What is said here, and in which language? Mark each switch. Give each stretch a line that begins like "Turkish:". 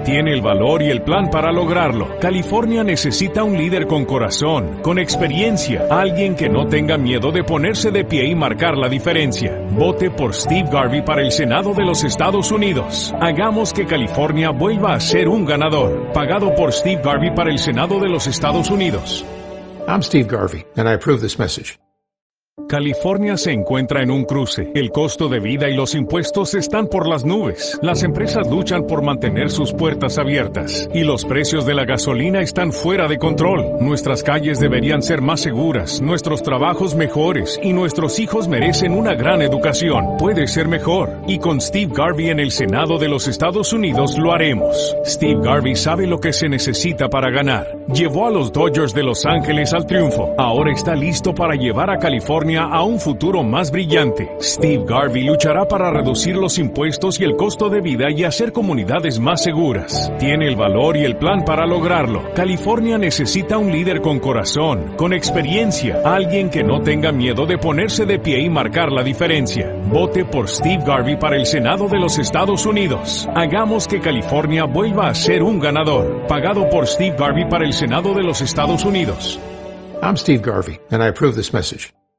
Spanish: Tiene el valor y el plan para lograrlo. California necesita un líder con corazón, con experiencia, alguien que no tenga miedo de ponerse de pie y marcar la diferencia. Vote por Steve Garvey para el Senado de los Estados Unidos. Hagamos que California vuelva a ser un ganador. Pagado por Steve Garvey para el Senado de los Estados Unidos.
English: I'm Steve Garvey, and I approve this message.
Spanish: California se encuentra en un cruce. El costo de vida y los impuestos están por las nubes. Las empresas luchan por mantener sus puertas abiertas y los precios de la gasolina están fuera de control. Nuestras calles deberían ser más seguras, nuestros trabajos mejores y nuestros hijos merecen una gran educación. Puede ser mejor y con Steve Garvey en el Senado de los Estados Unidos lo haremos. Steve Garvey sabe lo que se necesita para ganar. Llevó a los Dodgers de Los Ángeles al triunfo. Ahora está listo para llevar a California a un futuro más brillante. Steve Garvey luchará para reducir los impuestos y el costo de vida y hacer comunidades más seguras. Tiene el valor y el plan para lograrlo. California necesita un líder con corazón, con experiencia, alguien que no tenga miedo de ponerse de pie y marcar la diferencia. Vote por Steve Garvey para el Senado de los Estados Unidos. Hagamos que California vuelva a ser un ganador. Pagado por Steve Garvey para el Senado de los Estados Unidos.
English: I'm Steve Garvey, and I approve this message.